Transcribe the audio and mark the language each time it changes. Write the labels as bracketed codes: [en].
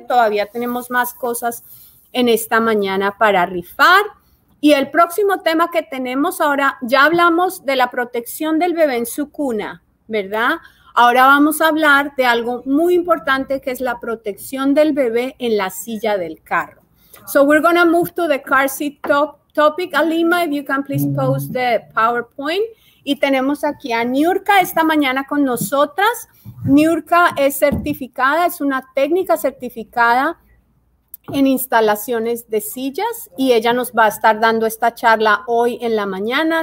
[es] Todavía tenemos más cosas en esta mañana para rifar. Y el próximo tema que tenemos ahora, ya hablamos de la protección del bebé en su cuna, ¿verdad? Ahora vamos a hablar de algo muy importante que es la protección del bebé en la silla del carro. [en] So we're going to move to the car seat topic. Alima, if you can please post the PowerPoint. [es] Y tenemos aquí a Niurka esta mañana con nosotras. Niurka es certificada, es una técnica certificada en instalaciones de sillas y ella nos va a estar dando esta charla hoy en la mañana.